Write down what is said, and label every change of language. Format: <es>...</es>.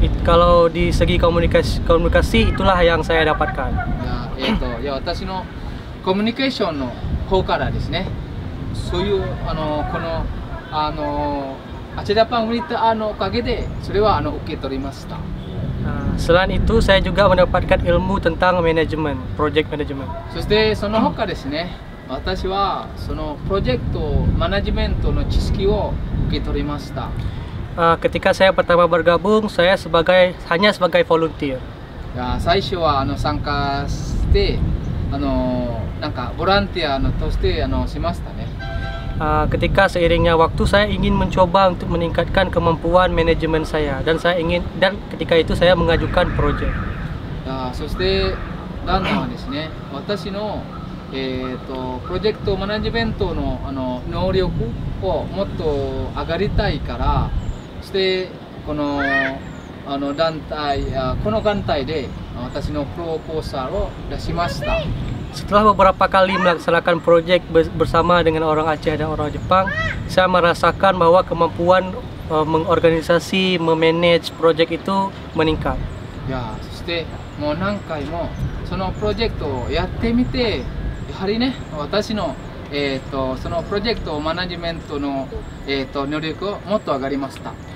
<id>Kalau di segi komunikasi itulah yang saya dapatkan.</id> <ja>Ya, 私のコミュニケーションの方からですね。そういうこのアチェジャパンウィッターのおかげでそれは受け取りました。</ja> <id>Selain itu saya juga mendapatkan ilmu tentang manajemen, project management.</id> <ja>そしてその他ですね。私はそのプロジェクトマネジメントの知識を受け取りました。</ja> <id>Ketika saya pertama bergabung, saya sebagai hanya sebagai volunteer.</id> <ja>Ya, 最初は参加してなんかボランティアとしてしましたね。</ja> <id>Ketika seiringnya waktu, saya ingin mencoba untuk meningkatkan kemampuan manajemen saya dan saya ingin dan ketika itu saya mengajukan proyek.</id> <ja>Ya, そしてだんだんですね、私のプロジェクトマネジメントの能力をもっと上がりたいから、そしてこの団体この団体で私のプロポーサルを出しました。</ja> <id>Setelah beberapa kali melaksanakan proyek bersama dengan orang Aceh dan orang Jepang, saya merasakan bahwa kemampuan mengorganisasi, memanage proyek itu meningkat.</id> <ja>Ya, そしてもう何回もそのプロジェクトをやってみて。やはりね、私の、そのプロジェクトマネジメントの、能力をもっと上がりました。</ja>